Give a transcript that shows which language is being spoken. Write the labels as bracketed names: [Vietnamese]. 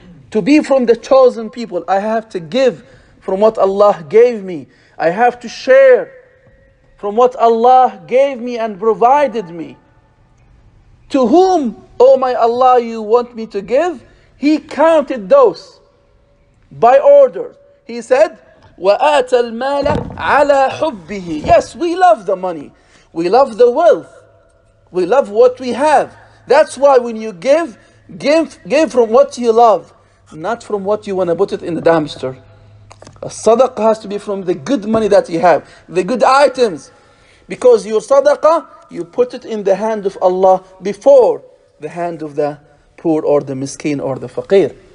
[English] To be from the chosen people, I have to give from what Allah gave me. I have to share from what Allah gave me and provided me. To whom, oh my Allah, you want me to give? He counted those by order. He said, [Arabic] وَآتَ الْمَالَ عَلَىٰ حُبِّهِ. [English] Yes, we love the money. We love the wealth. We love what we have. That's why when you give from what you love, not from what you want to put it in the dumpster. A sadaqah has to be from the good money that you have, the good items. Because your sadaqah, you put it in the hand of Allah before the hand of the poor or the miskin or the faqir.